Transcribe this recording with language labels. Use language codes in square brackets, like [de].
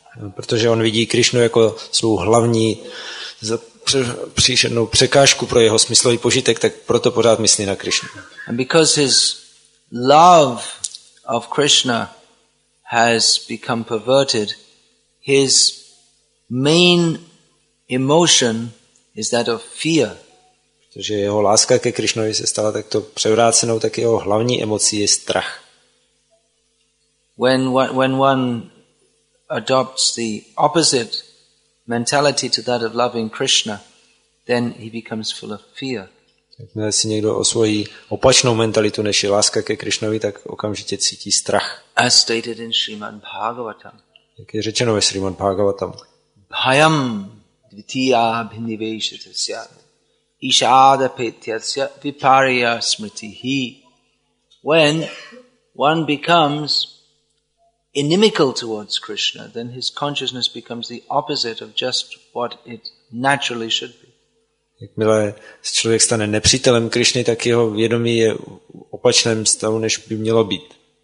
[cs] Protože on vidí Krishnu jako svou hlavní příšernou překážku pro jeho smyslový požitek, tak proto pořád myslí na Krišnu. [en] And because his love of Krishna has become perverted, his main emotion is that of fear. [cs] Protože jeho láska ke Krišnovi se stala takto převrácenou, tak jeho hlavní emocí je strach. [en] When one adopts the opposite mentality to that of loving Krishna, then he becomes full of fear. [cs] Když si někdo osvojí opačnou mentalitu, než je láska ke Krišnovi, tak okamžitě cítí strach. [en] As stated in Srimad Bhagavatam. [cs] Jak je řečeno ve Srimad Bhagavatam. [sa] Bhayam dvitiya bhinivesita syat. Ishada pityasya viparya smritihi. [en] When one becomes inimical towards Krishna, then his consciousness becomes the opposite of just what it naturally should be. [cs] Jakmile se člověk stane nepřítelem Krišny, tak jeho vědomí je v opačném stavu, než by mělo být.